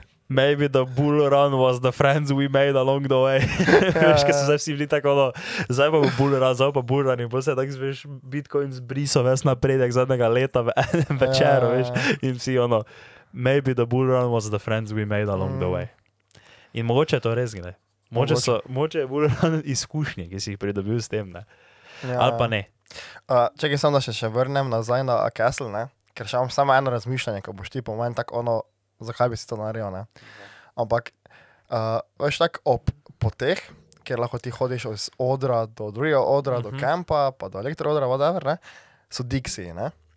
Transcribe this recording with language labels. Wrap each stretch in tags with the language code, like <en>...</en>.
<en>Maybe the bull run was the friends we made along the way.</en> <sl>Veš, ko so zdaj vsi bili tako, no, zdaj pa bo bull run, zdaj pa bull run. In potem se je tako, veš, Bitcoin zbrisal ves napredek zadnjega leta v enem večeru, veš. In vsi, ono,</sl> <en>maybe the bull run was the friends we made along the way.</en> <sl>In mogoče je to res, gledaj. Mogoče, mogoče je bull run izkušnje, ki si jih pridobil s tem, ne. Ali pa ne. Čekaj sem, da še vrnem nazaj na Castle, ne? Ker še imam samo eno razmišljanje, ko boš ti po meni tako ono, zakaj bi si to naredil. Ne? Ampak, veš tako ob poteh, kjer lahko ti hodiš iz odra do drugega odra, do kempa, pa do elektroodra, whatever, ne? So Dixie. Ne?</sl>